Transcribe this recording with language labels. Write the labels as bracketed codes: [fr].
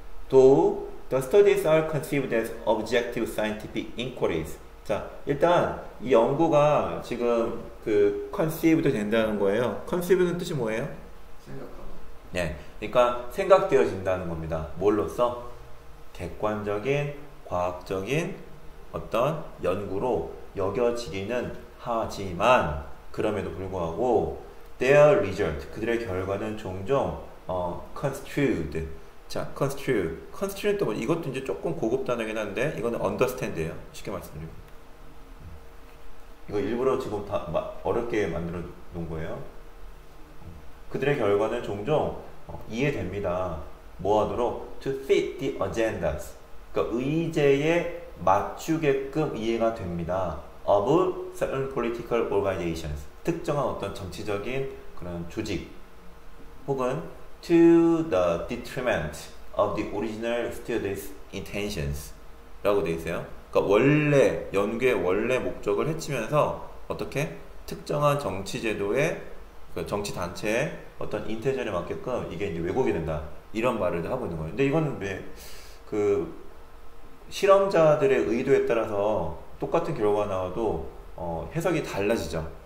[en] 도, the studies are conceived as objective scientific inquiries. [ko] 자, 일단, 이 연구가 지금 conceived 된다는 거예요. conceived는 뜻이 뭐예요? 네. 그러니까, 생각되어진다는 겁니다. 뭘로써? 객관적인, 과학적인 어떤 연구로 여겨지기는 하지만, 그럼에도 불구하고, [en] their result, [ko] 그들의 결과는 종종, construed. 자, construe. construe는 또 뭐, 이것도 이제 조금 고급 단어긴 한데, 이거는 understand예요. 쉽게 말씀드리면. 이거 일부러 지금 다 어렵게 만들어 놓은 거예요. 그들의 결과는 종종 이해됩니다. 뭐 하도록? [en] To fit the agendas. [ko] 그러니까 의제에 맞추게끔 이해가 됩니다. [en] Of certain political organizations. [ko] 특정한 어떤 정치적인 그런 조직. [en] 혹은 to the detriment of the original students' intentions. [ko] 라고 되어 있어요. 그러니까 원래 연구의 원래 목적을 해치면서 어떻게 특정한 정치 제도의 그 정치 단체의 어떤 인텐션에 맞게끔 이게 이제 왜곡이 된다 이런 말을 하고 있는 거예요. 근데 이건 왜그 실험자들의 의도에 따라서 똑같은 결과가 나와도 해석이 달라지죠.